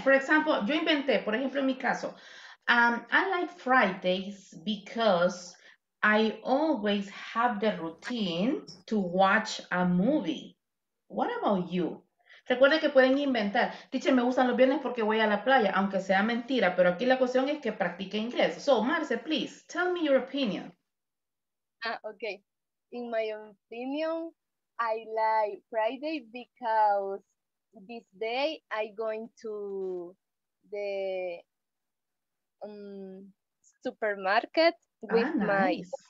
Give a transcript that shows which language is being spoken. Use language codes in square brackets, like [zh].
[en] For example, [es] yo inventé, por ejemplo, en mi caso. [en] I like Fridays because I always have the routine to watch a movie. What about you? [es] Recuerden que pueden inventar. Teacher, me gustan los viernes porque voy a la playa, aunque sea mentira, pero aquí la cuestión es que practique inglés. [en] So, Marce, please, tell me your opinion. Okay. In my opinion, I like Friday because this day I'm going to the supermarket with my...